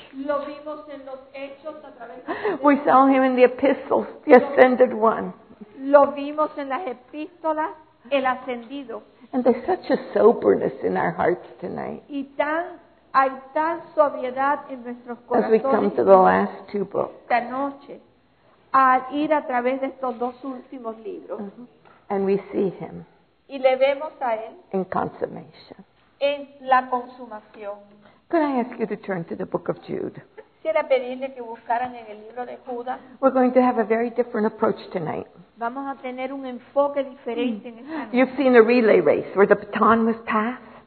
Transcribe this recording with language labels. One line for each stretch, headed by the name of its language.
Spanish: Lo vimos en los hechos a través de
English: la we saw him in the epistles, the ascended one.
Spanish: Lo vimos en las epístolas, el ascendido.
English: And there's such a soberness in our hearts tonight.
Spanish: Y tan, hay tan sobriedad en nuestros corazones.
English: As we come to the last two books.
Spanish: Esta noche, al ir a través de estos dos últimos libros.
English: Mm-hmm. And we see him.
Spanish: Y le vemos a él.
English: In consummation.
Spanish: En la consumación.
English: Could I ask you to turn to the book of Jude?
Spanish: Quisiera pedirle que buscaran en el libro de Judas.
English: We're going to have a very different approach tonight.
Spanish: Vamos a tener un enfoque diferente en esta noche.
English: You've seen a relay race where the baton was passed.